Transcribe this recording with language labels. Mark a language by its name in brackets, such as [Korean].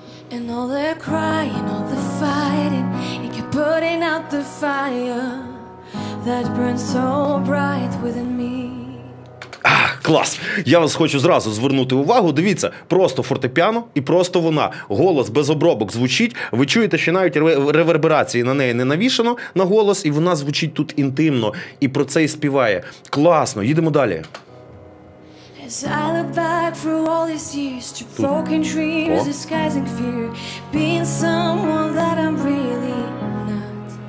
[English] And all the crying, all the fighting, it kept putting out the fire that burns so bright within me. [Ukrainian] Клас! Я вас хочу зразу звернути увагу. Дивіться, просто фортепіано і просто вона. Голос без обробок звучить. Ви чуєте, що навіть реверберації на неї не навішано на голос, і вона звучить тут інтимно. І про це і співає. Класно! Їдемо далі. [English] As I look back through all these years to broken dreams, disguising fear, being someone that I'm really not.